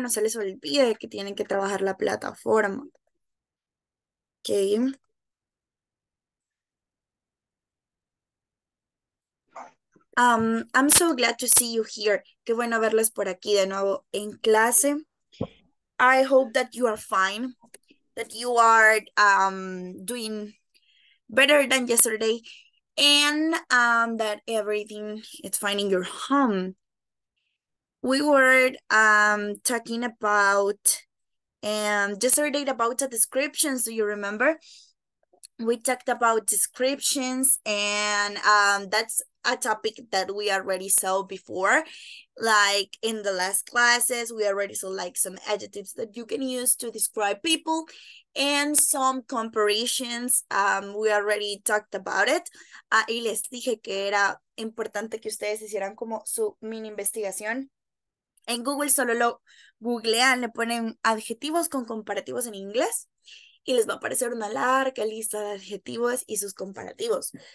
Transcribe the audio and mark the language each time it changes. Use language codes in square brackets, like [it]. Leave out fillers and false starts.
[es] No se les olvide que tienen que trabajar la plataforma. Okay. [en] I'm so glad to see you here. [es] Qué bueno verlos por aquí de nuevo en clase. [en] I hope that you are fine, that you are doing better than yesterday, and that everything is fine in your home. We were talking about yesterday about the descriptions. Do you remember? We talked about descriptions, and that's a topic that we already saw before, like in the last classes. We already saw like some adjectives that you can use to describe people and some comparisons. We already talked about it. [es] Y les dije que era importante que ustedes hicieran como su mini investigación. En Google solo lo googlean, le ponen adjetivos con comparativos en inglés y les va a aparecer una larga lista de adjetivos y sus comparativos.